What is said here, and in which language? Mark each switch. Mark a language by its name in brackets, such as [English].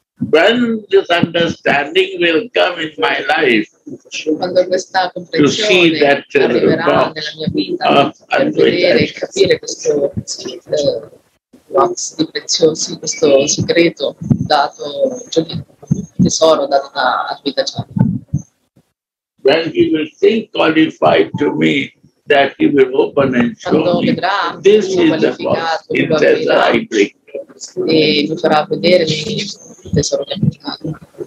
[English] When this understanding will come in my life, to see that [Italian] box di preziosi, questo segreto dato, cioè tesoro dato da Arvita Chandra. [English] When he will think qualified to me, that he will open and show [Italian] quando [English] me, [Italian] vedrà, [English] this is the box, it says I bring. [Italian] E mi farà vedere il tesoro che ha portato.